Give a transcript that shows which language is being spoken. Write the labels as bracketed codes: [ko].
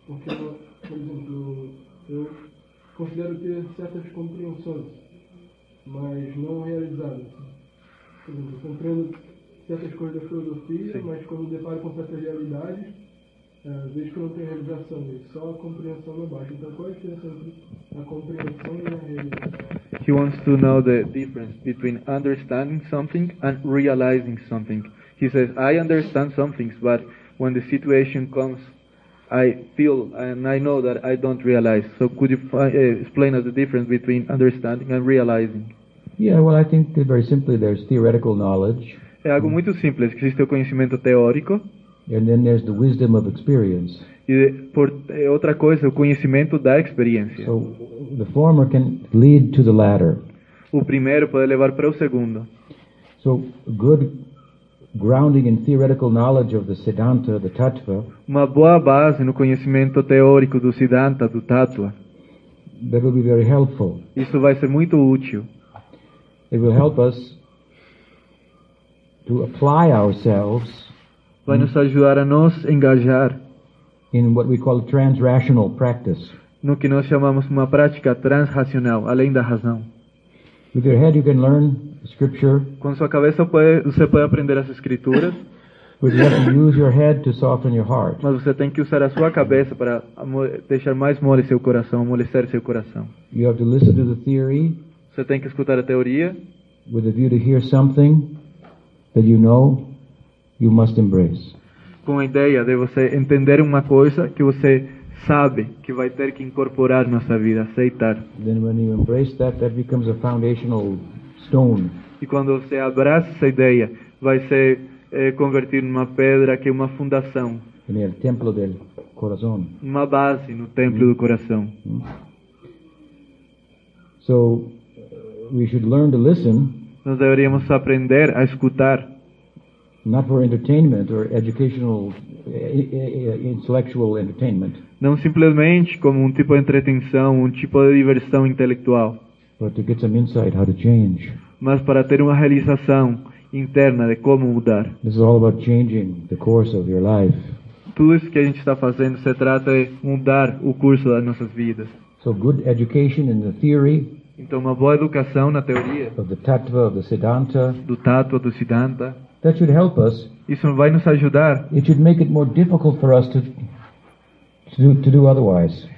[pt] Porque, por exemplo, eu considero ter certas compreensões, mas não realizadas. Por exemplo, eu compreendo certas coisas da filosofia, sim, mas quando me deparo com certas realidades, vejo que não tenho realização disso, só a compreensão não basta. Então, qual é a diferença entre a compreensão e a realização? [en] He wants to know the difference between understanding something and realizing something. He says, I understand some things, but when the situation comes, I feel and I know that I don't realize. So could you explain us the difference between understanding and realizing? Yeah, well, I think that very simply there's theoretical knowledge. [pt] É algo muito simples, que existe o conhecimento teórico. [en] And then there's the wisdom of experience. [pt] E por outra coisa, o conhecimento da experiência. [en] So the former can lead to the latter. [pt] O primeiro pode levar para o segundo. [en] So good grounding in theoretical knowledge of the Siddhanta, the Tattva. [pt] Uma boa base no conhecimento teórico do Siddhanta, do Tattva. [en] That will be very helpful. [pt] Isso vai ser muito útil. [en] It will help us to apply ourselves. [pt] Vai nos ajudar a nos engajar [en] in what we call transrational practice. [pt] No que nós chamamos uma prática transracional, além da razão. [en] With your head, you can learn scripture. [pt] Com sua cabeça você pode aprender as escrituras. [en] But you have to use your head to soften your heart. [pt] Mas você tem que usar a sua cabeça para deixar mais mole seu coração, amolecer seu coração. [en] You have to listen to the theory. [pt] Você tem que escutar a teoria. [en] With a view to hear something that you know you must embrace. [pt] Com a ideia de você entender uma coisa que você sabe que vai ter que incorporar na sua vida, aceitar. [en] Then when you embrace that, that becomes a foundational stone. [pt] E quando você abraça essa ideia, vai se convertir numa pedra que é uma fundação. [es] En el templo del corazón. [pt] Uma base no templo do coração. [en] So, we should learn to listen. [pt] Nós deveríamos aprender a escutar. [en] Not for entertainment or educational, intellectual entertainment. [pt] Não simplesmente como tipo de entretenção, tipo de diversão intelectual. [en] But to get some insight how to change. [pt] Mas para ter uma realização interna de como mudar. [en] This is all about changing the course of your life. [pt] Tudo isso que a gente está fazendo se trata de mudar o curso das nossas vidas. [en] So good education in the theory. [pt] Então uma boa educação na teoria. [en] Of the tattva, of the siddhanta. [pt] Do tattva, do siddhanta. [en] That should help us. [pt] Isso vai nos ajudar. [en] It should make it more difficult for us to do otherwise.